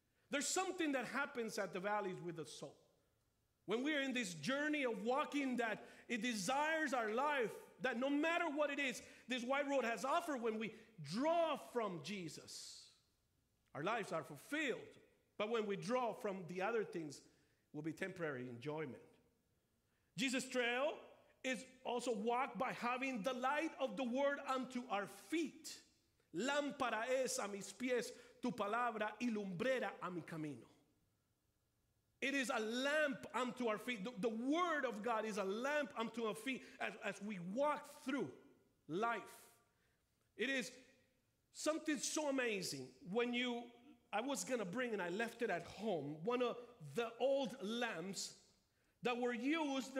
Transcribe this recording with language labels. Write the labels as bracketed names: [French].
[English] There's something that happens at the valleys with the soul. When we are in this journey of walking that it desires our life, that no matter what it is, this wide road has offered, when we draw from Jesus, our lives are fulfilled. But when we draw from the other things, will be temporary enjoyment. Jesus' trail is also walked by having the light of the word unto our feet. [Spanish] Lámpara es a mis pies tu palabra y lumbrera a mi camino. [English] It is a lamp unto our feet. The word of God is a lamp unto our feet as we walk through life. It is something so amazing when you, I was going to bring, and I left it at home, one of the old lamps that were used.